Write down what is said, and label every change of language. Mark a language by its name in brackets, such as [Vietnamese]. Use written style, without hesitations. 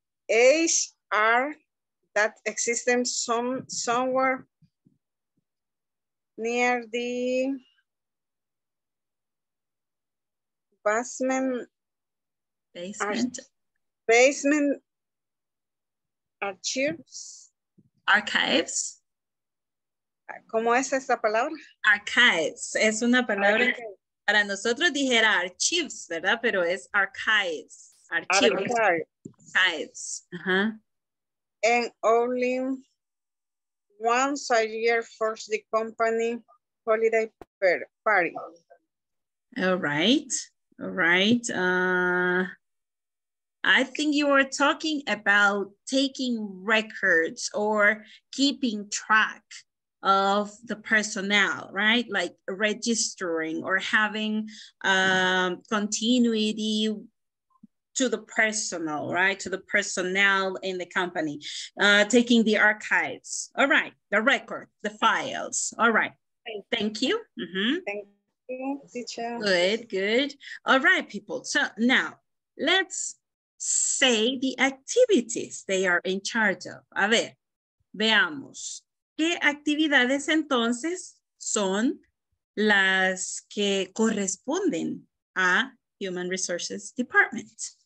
[English] HR that existed somewhere near the basement archives. [Spanish] ¿Cómo es esa palabra? [English] Archives. [Spanish] Es una palabra que para nosotros dijera archives, ¿verdad? Pero es archives. [English] Archives. Uh-huh. And only once a year for the company holiday party. All right. I think you were talking about taking records or keeping track of the personnel, right? Like registering or having continuity to the personnel, right? To the personnel in the company, taking the archives. All right, the record, the files. All right, thank you. Mm-hmm. Thank you, teacher. Good. All right, people. So now let's say the activities they are in charge of. [Spanish] A ver, veamos. ¿Qué actividades entonces son las que corresponden a Human Resources Department?